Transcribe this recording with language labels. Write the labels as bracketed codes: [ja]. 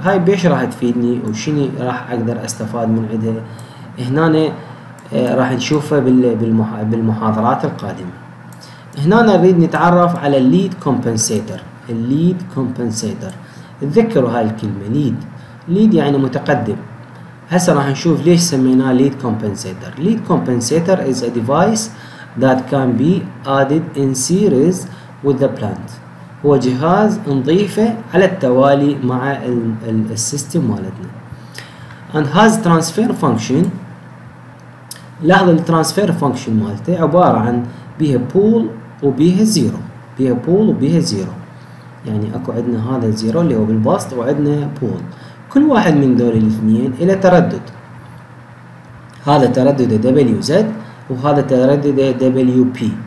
[ar] هاي بيش راح تفيدني وشني راح أقدر أستفاد من عدها هنا راح نشوفها بالمحاضرات القادمة. هنا نريد نتعرف على الليد كومبنسيتر. الليد كومبنسيتر تذكروا هاي الكلمة ليد، ليد يعني متقدم. هسا راح نشوف ليش سميناه ليد كومبنسيتر. [en] Lead compensator is a device that can be added in series with the plant. [ar] هو جهاز نضيفه على التوالي مع السيستم مالتنا. [en] And has transfer function [ar] لاحظ الترانسفير فانكشن مالته عبارة عن بيها بول وبيها زيرو، بيها بول وبيها زيرو، يعني اكو عندنا هذا الزيرو اللي هو بالبسط وعندنا بول، كل واحد من دول الاثنين الى تردد، هذا تردده WZ وهذا تردده WP.